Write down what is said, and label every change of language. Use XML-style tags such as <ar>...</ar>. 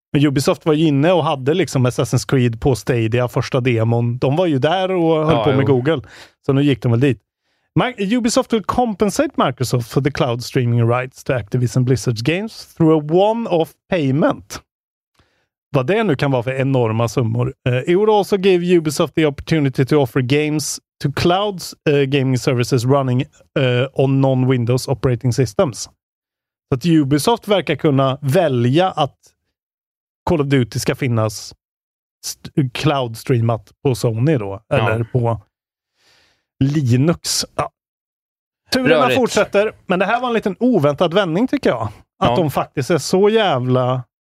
<sv>Men Ubisoft var ju inne och hade liksom Assassin's Creed på Stadia, första demon. De var ju där och höll på med Google. Så nu gick de väl dit.</sv> <en>Ubisoft will compensate Microsoft for the cloud streaming rights to Activision Blizzard's games through a one-off payment.</en> <sv>Vad det nu kan vara för enorma summor.</sv> <en>It would also give Ubisoft the opportunity to offer games to cloud gaming services running on non-Windows operating systems.</en> <sv>Så att Ubisoft verkar kunna välja att Call of Duty ska finnas cloud streamat på Sony då. Eller på Linux. Ja. Turerna Rörigt. Fortsätter. Men det här var en liten oväntad vändning tycker jag. Att de faktiskt är så jävla...</sv>